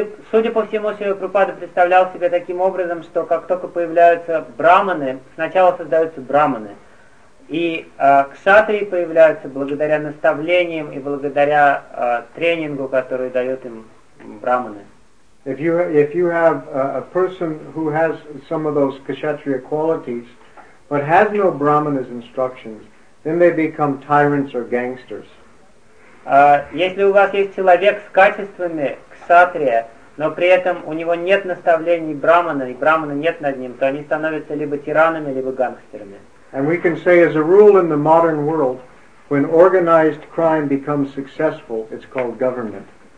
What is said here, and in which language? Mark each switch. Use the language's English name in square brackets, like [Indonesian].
[Russian] Судя по всему, Шрила Прабхупада представлял себя таким образом, что как только появляются брахманы, сначала создаются брахманы. И кшатрии появляются благодаря наставлениям и благодаря тренингу, который дает им брахманы. [English] If you have a person who has some of those kshatriya qualities, but has no brahmana's instructions, then they become tyrants or gangsters. [Russian] Если у вас есть человек с качествами кшатрия, но при этом у него нет наставлений брахмана и брахмана нет над ним, то они становятся либо тиранами, либо гангстерами. [English] And we can say, as a rule in the modern world, when organized crime becomes successful, it's called government.